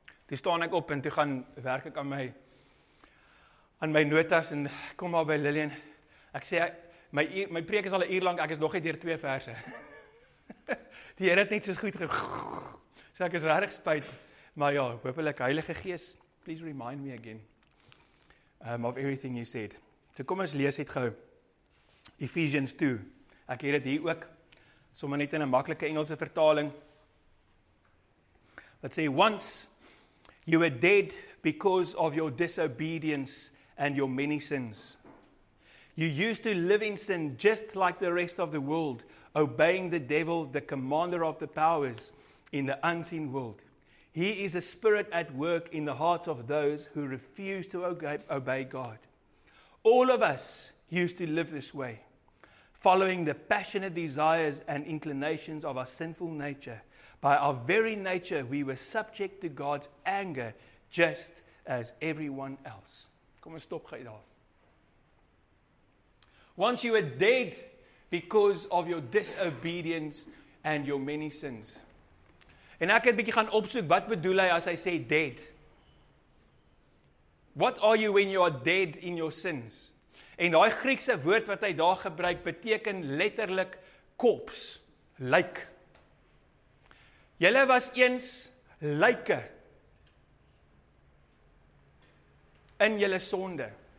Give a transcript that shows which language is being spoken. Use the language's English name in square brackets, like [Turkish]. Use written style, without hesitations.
[Afrikaans] Toe staan ek op en toe gaan werk ek aan my notas en kom maar by Lillian. Ek sê, my preek is al 'n uur lang, ek is nog net deur 2 verse. Die Here het net soos goed so ek is regtig spyt. Maar ja, hopelik Heilige Gees, [English] please remind me again of everything you said. [Afrikaans] So kom ons lees het gauw. Ephesians 2. Ek het dit hier ook, sommer net in 'n maklike Engelse vertaling. Wat sê, once [English] You were dead because of your disobedience and your many sins. You used to live in sin just like the rest of the world, obeying the devil, the commander of the powers in the unseen world. He is a spirit at work in the hearts of those who refuse to obey God. All of us used to live this way, following the passionate desires and inclinations of our sinful nature. By our very nature, we were subject to God's anger just as everyone else. [Afrikaans] Kom ons stop gou daar. [English] Once you were dead because of your disobedience and your many sins. [Afrikaans] En ek het bietjie gaan opsoek, wat bedoel hy as hy sê dead? [English] What are you when you are dead in your sins? [Afrikaans] En daai Griekse woord wat hy daar gebruik beteken letterlik kops, lyk. Julle was eens lyke in julle sonde.